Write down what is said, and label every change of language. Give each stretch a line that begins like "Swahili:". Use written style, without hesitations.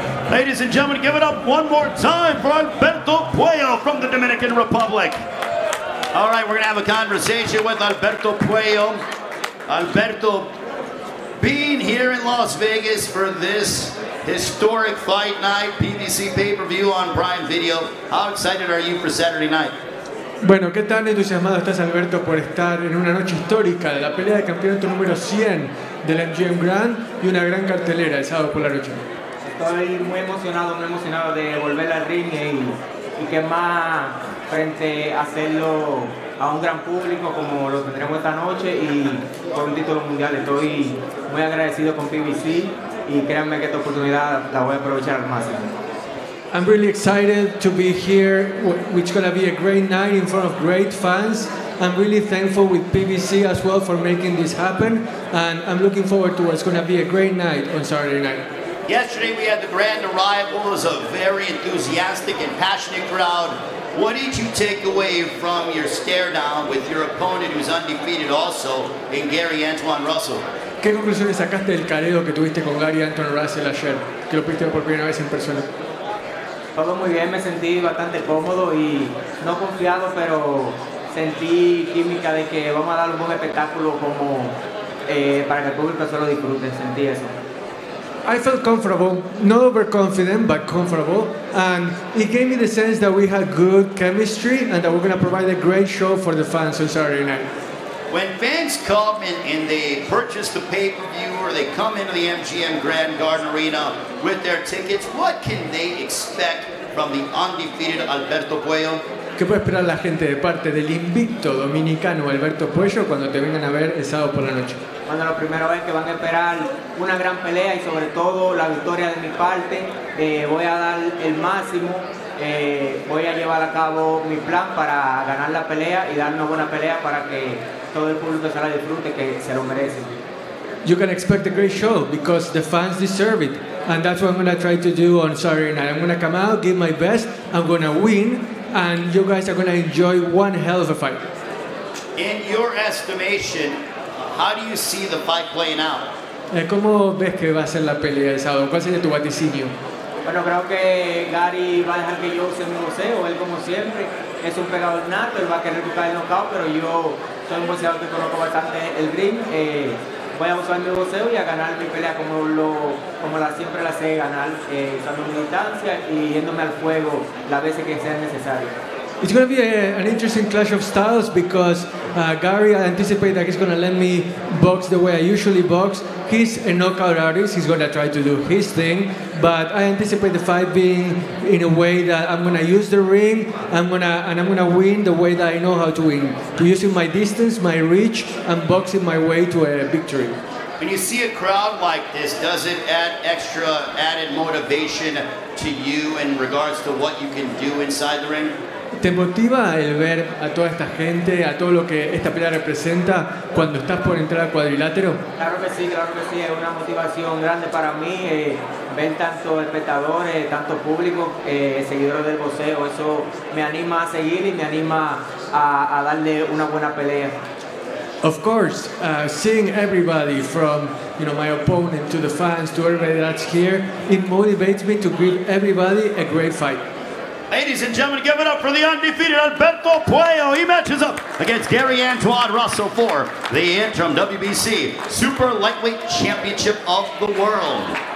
English: Ladies and gentlemen, give it up one more time for Alberto Puello from the Dominican Republic. All right, we're gonna have a conversation with Alberto Puello. Alberto, being here in Las Vegas for this historic fight night, PBC pay-per-view on Prime Video, how excited are you for Saturday night?
Spanish: Bueno, ¿qué tan entusiasmado estás, Alberto, por estar en una noche histórica de la pelea de campeonato número 100 del MGM Grand y una gran cartelera el sábado por la noche? Estoy muy emocionado de volver al ring y que más frente a hacerlo a un gran público como lo tendremos esta noche y con un título mundial. Estoy muy agradecido con PBC y créanme que esta oportunidad la voy a aprovechar al máximo.
English: I'm really excited to be here, which is going to be a great night in front of great fans. I'm really thankful with PBC as well for making this happen, and I'm looking forward to what's going to be a great night on Saturday night. Yesterday we had the grand arrival. It was a very enthusiastic and passionate crowd. What did you take away from your stare down with your opponent who's undefeated also in Gary Antoine Russell?
Spanish: ¿Qué conclusiones sacaste del careo que tuviste con Gary Antoine Russell ayer? Que lo viste por primera vez en persona. Todo muy bien, me sentí bastante cómodo y no confiado, pero sentí química de que vamos a dar un buen espectáculo como para que el público se lo disfrute, sentí eso.
English: I felt comfortable, not overconfident, but comfortable, and it gave me the sense that we had good chemistry and that we're going to provide a great show for the fans on Saturday night. When fans come and they purchase the pay-per-view or they come into the MGM Grand Garden Arena with their tickets, what can they expect from the undefeated Alberto Puello?
Spanish: ¿Qué puede esperar la gente de parte del invicto dominicano Alberto Puello cuando te vengan a ver el sábado por la noche? Bueno, lo primero es que van a esperar una gran pelea y sobre todo la victoria de mi parte. Voy a dar el máximo, voy a llevar a cabo mi plan para ganar la pelea y dar una buena pelea para que todo el público se la disfrute, que se lo merece.
English: You can expect a great show because the fans deserve it. And that's what I'm going to try to do on Saturday night. I'm going to come out, give my best, I'm going to win, and you guys are going to enjoy one hell of a fight. In your estimation, how do you see the fight playing out?
Spanish: ¿Cómo ves que va a ser la pelea el sábado? ¿Cuál sería tu vaticinio? Bueno, creo que Gary va a dejar que yo use mi boxeo. Él, como siempre, es un pegador nato. Él va a querer buscar el knockout, pero yo soy un boxeador que conozco bastante el ring. Voy a usar mi boxeo y a ganar mi pelea como siempre la sé ganar, usando mi distancia y yéndome al fuego las veces que sea necesario.
English: It's going to be an interesting clash of styles because Gary, I anticipate that he's going to let me box the way I usually box. He's a knockout artist. He's going to try to do his thing. But I anticipate the fight being in a way that I'm going to use the ring. I'm going to win the way that I know how to win. Using my distance, my reach, and boxing my way to a victory. When you see a crowd like this, does it add extra added motivation to you in regards to what you can do inside the ring?
Spanish: ¿Te motiva el ver a toda esta gente, a todo lo que esta pelea representa cuando estás por entrar al cuadrilátero? Claro que sí, es una motivación grande para mí ver tanto espectadores, tanto público, seguidores del boxeo. Eso me anima a seguir y me anima a darle una buena pelea.
English: Of course, seeing everybody from, you know, my opponent to the fans to everybody that's here, it motivates me to give everybody a great fight. Ladies and gentlemen, give it up for the undefeated Alberto Puello. He matches up against Gary Antoine Russell for the interim WBC Super Lightweight Championship of the World.